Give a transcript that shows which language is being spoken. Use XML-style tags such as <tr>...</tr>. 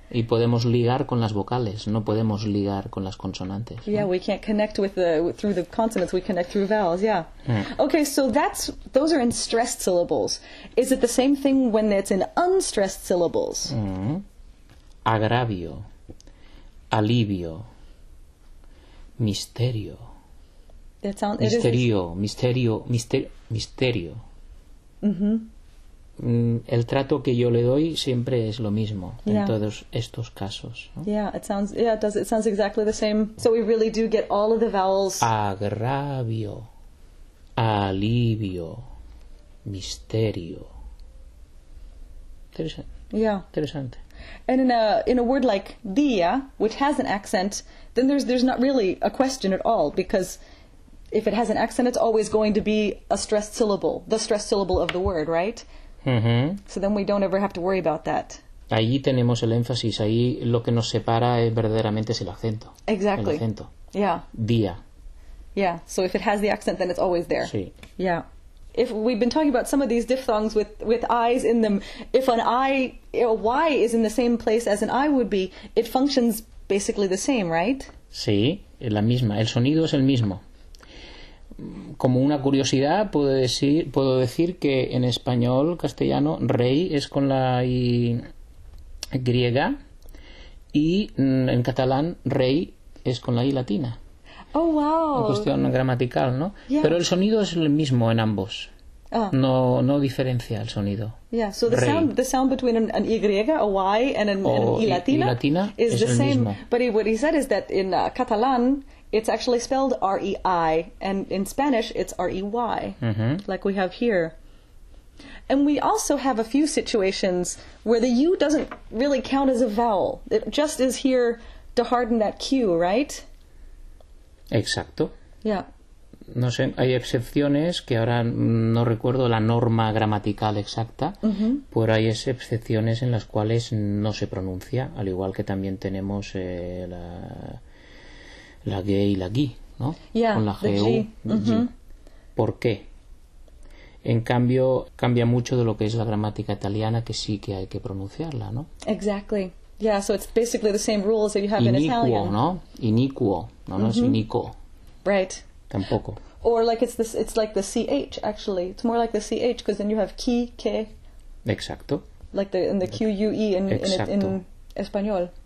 <es>¿Eh? Y podemos ligar con las vocales, no podemos ligar con las consonantes.</es> <en>Yeah,</en> <es>¿no?</es> <en>We can't connect through the consonants, we connect through vowels, yeah. Mm. Okay, so those are in stressed syllables. Is it the same thing when it's in unstressed syllables?</en> <es>Mm-hmm. Agravio, alivio, misterio. Misterio. Mm-hmm. El trato que yo le doy siempre es lo mismo</es> <en>yeah.</en> <es>en todos estos casos. ¿No?</es> <en>It sounds exactly the same. So we really do get all of the vowels.</en> <es>Agravio, alivio, misterio. Interesante.</es> <en>Yeah.</en> <es>Interesante.</es> <en>And in a word like día, which has an accent, then there's not really a question at all, because if it has an accent, it's always going to be a stressed syllable, the stressed syllable of the word, right? Mm-hmm. So then we don't ever have to worry about that.</en> <es>Allí tenemos el énfasis. Ahí lo que nos separa es verdaderamente es el acento.</es> <en>Exactly.</en> <es>El acento.</es> <en>Yeah.</en> <es>Día.</es> <en>Yeah, so if it has the accent, then it's always there.</en> <es>Sí.</es> <en>Yeah. If we've been talking about some of these diphthongs with I's in them, if an I, a Y is in the same place as an I would be, it functions basically the same, right?</en> <es>Sí, la misma. El sonido es el mismo. Como una curiosidad, puedo decir que en español castellano rey es con la I griega y en catalán rey es con la I latina.</es> <en>Oh, wow.</en> <es>Una cuestión gramatical, ¿no?</es> <en>Yeah.</en> <es>Pero el sonido es el mismo en ambos. No diferencia el sonido.</es> <en>Yeah, so the sound between an Y, a Y, and an I latina is the same.</en> <es>Mismo.</es> <en>But what he said is that in Catalan, it's actually spelled R-E-I, and in Spanish, it's R-E-Y, uh-huh. Like we have here. And we also have a few situations where the U doesn't really count as a vowel. It just is here to harden that Q, right?</en> <es>Exacto.</es> <en>Yeah.</en> <es>No sé, hay excepciones que ahora no recuerdo la norma gramatical exacta, uh-huh. Pero hay excepciones en las cuales no se pronuncia, al igual que también tenemos la G y la G, ¿no?</es> <en>Yeah,</en> <es>con la G,</es> <en>the G. U,</en> <es>uh-huh. ¿Por qué? En cambio, cambia mucho de lo que es la gramática italiana, que sí que hay que pronunciarla, ¿no?</es> <en>Exactly. Yeah, so it's basically the same rules that you have</en> <it>iniquo,</it> <en>in Italian.</en> <es>Iniquo, ¿no? Iniquo. No, mm-hmm. No es inico.</es> <en>Right.</en> <es>Tampoco.</es> <en>Or like it's like the CH, actually. It's more like the CH, because then you have ki, ke.</en> <es>Exacto.</es> <en>Like the in the Q-U-E in español.</en>